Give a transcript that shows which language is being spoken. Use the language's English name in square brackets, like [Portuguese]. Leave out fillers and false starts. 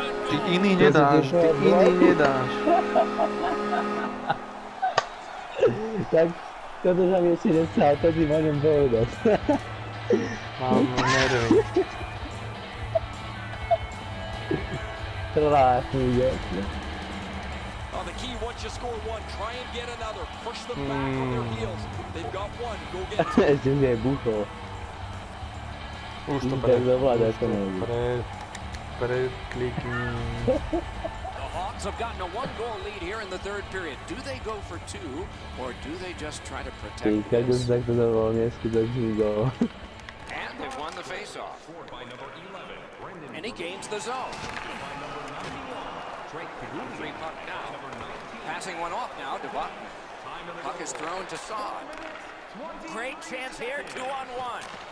[Slovak] Ty iný nedáš, ty iný nedáš. Tak, toto sa mi ešte nechcá, to ti môžem povedať. Mám nervy. Vlastný gol. [English] Once you score one, try and get another. Push them back on their heels. They've got one. Go get two. [Slovak] Už to pre. pred kliky. [English] The Hawks have gotten a one goal lead here in the third period. Do they go for two or do they just try to protect? [Slovak] Ty, keď už tak to bolo neskutočný gol. [English] And they've won the face off. By number 11, Brendan. And he gains the zone. By number 91, Drake Kahuni. Free puck now. Passing one off now to Buck. Puck is thrown to Saad. Great chance here, 2-on-1.